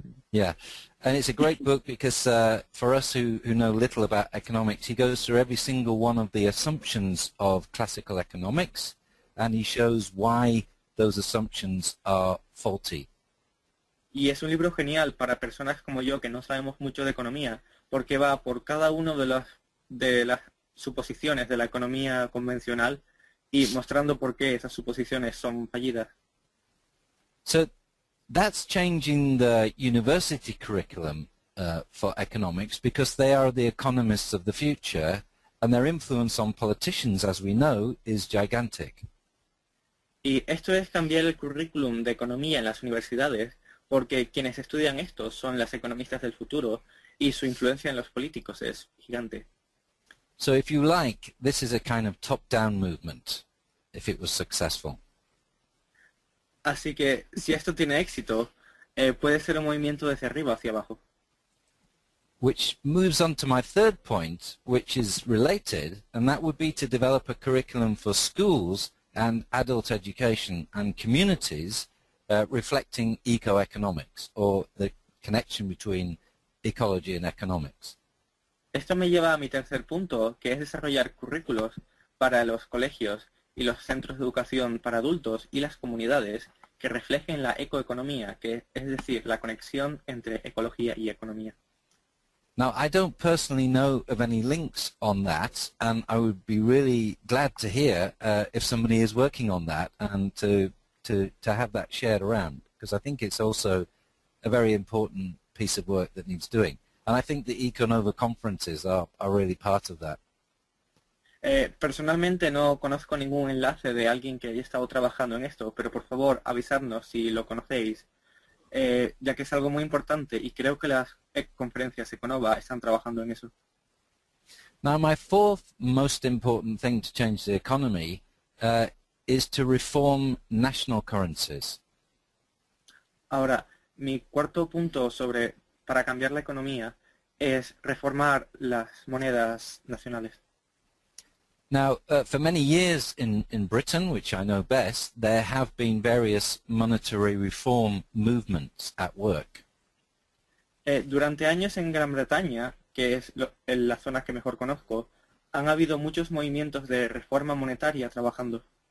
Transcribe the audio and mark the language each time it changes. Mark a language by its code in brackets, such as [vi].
[en] Yeah, and it's a great book because for us who know little about economics, he goes through every single one of the assumptions of classical economics and he shows why those assumptions are faulty. [es] Y es un libro genial para personas como yo que no sabemos mucho de economía, porque va por cada uno de las suposiciones de la economía convencional y mostrando por qué esas suposiciones son fallidas. [en] So that's changing the university curriculum for economics, because they are the economists of the future, and their influence on politicians, as we know, is gigantic. [es] Y esto es cambiar el currículum de economía en las universidades, porque quienes estudian esto son las economistas del futuro y su influencia en los políticos es gigante. [en] So if you like, this is a kind of top-down movement, if it was successful. [es] Así que, si esto tiene éxito, puede ser un movimiento desde arriba hacia abajo. [en] Which moves on to my third point, which is related, and that would be to develop a curriculum for schools and adult education and communities reflecting eco-economics, or the connection between ecology and economics. [es] Esto me lleva a mi tercer punto, que es desarrollar currículos para los colegios y los centros de educación para adultos y las comunidades que reflejen la ecoeconomía, que es decir, la conexión entre ecología y economía. [en] Now, I don't personally know of any links on that, and I would be really glad to hear if somebody is working on that and to have that shared around, because I think it's also a very important piece of work that needs doing. And I think the Econova conferences are really part of that. [es] Personalmente no conozco ningún enlace de alguien que haya estado trabajando en esto, pero por favor avisadnos si lo conocéis, ya que es algo muy importante y creo que las conferencias Econova están trabajando en eso. [en] Now my fourth most important thing to change the economy is to reform national currencies. [es] Ahora, mi cuarto punto sobre para cambiar la economía es reformar las monedas nacionales. [en] Now, for many years in Britain, which I know best, there have been various monetary reform movements at work. [es] Durante años en Gran Bretaña, que es en la zona que mejor conozco, han habido muchos movimientos de reforma monetaria trabajando.